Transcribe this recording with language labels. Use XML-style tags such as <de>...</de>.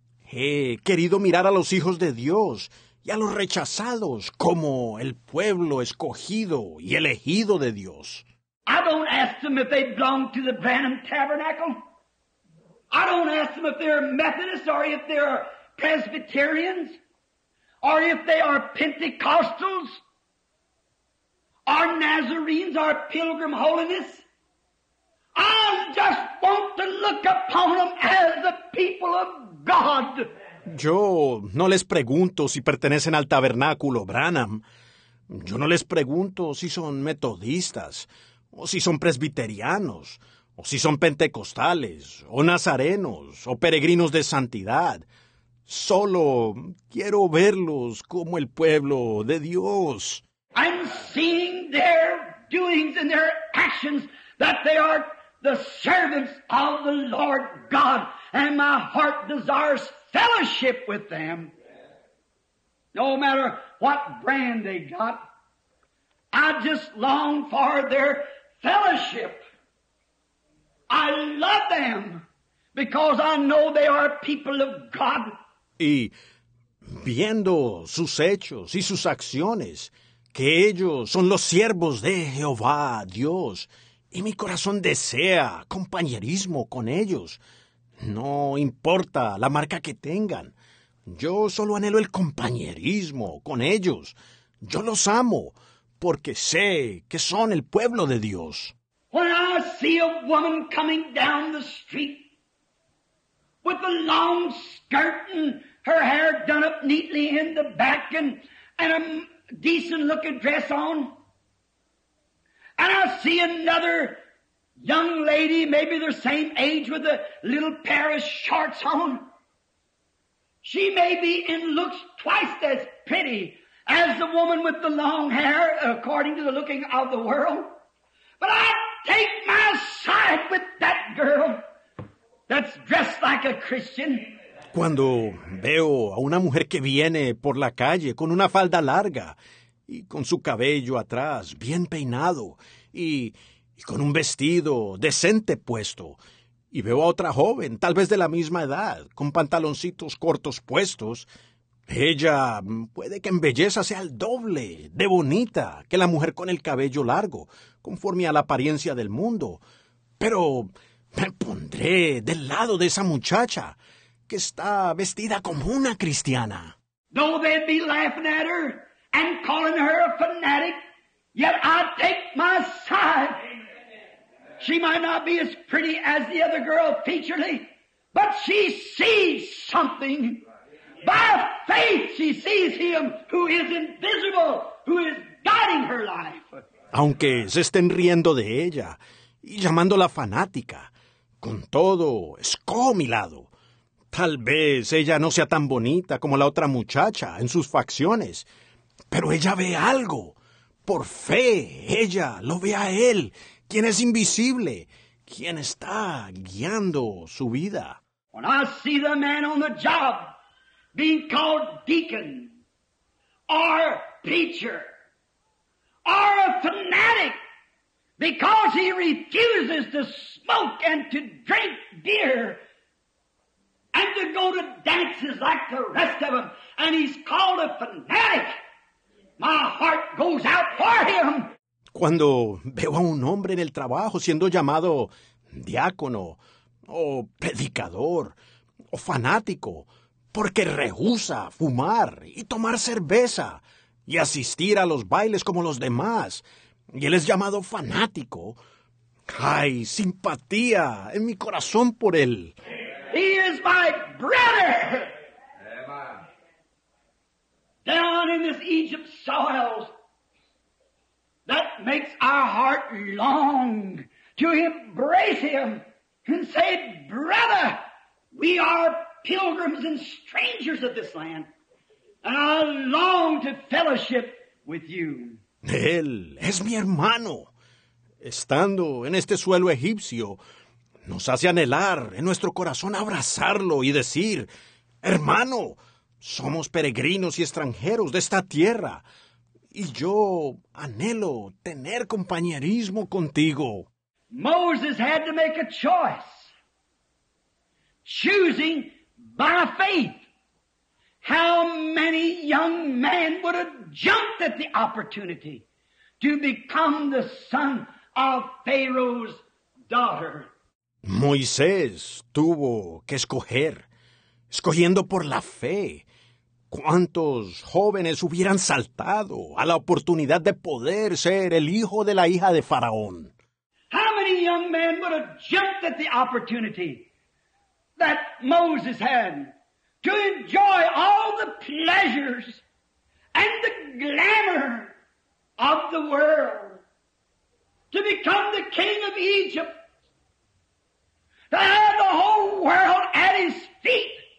<es>He querido mirar a los hijos de Dios y a los rechazados como el pueblo escogido y elegido de Dios.</es> <en>I don't ask them if they belong to the Branham Tabernacle. I don't ask them if they're Methodists or if they're Presbyterians or if they are Pentecostals or Nazarenes or Pilgrim Holiness. I just want to look upon them as the people of God.</en> <es>Yo no les pregunto si pertenecen al tabernáculo Branham. Yo no les pregunto si son metodistas o si son presbiterianos o si son pentecostales o nazarenos o peregrinos de santidad. Solo quiero verlos como el pueblo de Dios.</es> <en>I'm seeing their doings and their actions that they are the servants of the Lord God, and my heart desires fellowship with them. No matter what brand they got, I just long for their fellowship. I love them because I know they are people of God.</en> <es>Y viendo sus hechos y sus acciones, que ellos son los siervos de Jehová Dios, y mi corazón desea compañerismo con ellos. No importa la marca que tengan. Yo solo anhelo el compañerismo con ellos. Yo los amo porque sé que son el pueblo de Dios.</es> <en>When I see a woman coming down the street with a long skirt and her hair done up neatly in the back and a decent looking dress on, and I see another young lady, maybe the same age, with a little pair of shorts on, she may be in looks twice as pretty as the woman with the long hair, according to the looking of the world. But I take my side with that girl that's dressed like a Christian.</en> <es>Cuando veo a una mujer que viene por la calle con una falda larga y con su cabello atrás bien peinado y con un vestido decente puesto, y veo a otra joven, tal vez de la misma edad, con pantaloncitos cortos puestos, ella puede que en belleza sea el doble de bonita que la mujer con el cabello largo, conforme a la apariencia del mundo. Pero me pondré del lado de esa muchacha que está vestida como una cristiana.</es> <en>No, they'd be laughing at her and calling her a fanatic, yet I take my side. She might not be as pretty as the other girl featurely, but she sees something. By faith she sees him who is invisible, who is guiding her life.</en> <es>Aunque se estén riendo de ella y llamándola fanática, con todo escojo mi lado. Tal vez ella no sea tan bonita como la otra muchacha en sus facciones, Pero ella ve algo. Por fe, ella lo ve a él, quien es invisible, quien está guiando su vida.</es> <en>When I see the man on the job being called deacon, or preacher, or a fanatic, because he refuses to smoke and to drink beer and to go to dances like the rest of them, and he's called a fanatic, my heart goes out for him.</en> <es>Cuando veo a un hombre en el trabajo siendo llamado diácono, o predicador, o fanático, porque rehúsa fumar y tomar cerveza y asistir a los bailes como los demás, y él es llamado fanático, hay simpatía en mi corazón por él.</es> <en>He is my brother. Down in this Egypt soils, that makes our heart long to embrace him and say, brother, we are pilgrims and strangers of this land, and I long to fellowship with you.</en> <es>Él es mi hermano. Estando en este suelo egipcio, nos hace anhelar en nuestro corazón abrazarlo y decir, hermano, somos peregrinos y extranjeros de esta tierra, y yo anhelo tener compañerismo contigo.</es> <en>Moses had to make a choice, choosing by faith. How many young men would have jumped at the opportunity to become the son of Pharaoh's daughter?</en> <es>Moisés tuvo que escoger, escogiendo por la fe. ¿Cuántos jóvenes hubieran saltado a la oportunidad de poder ser el hijo de la hija de Faraón?</es> <en>How many young men would have jumped at the opportunity that Moses had to enjoy all the pleasures and the glamour of the world, to become the king of Egypt, to have the whole world at his feet?</en>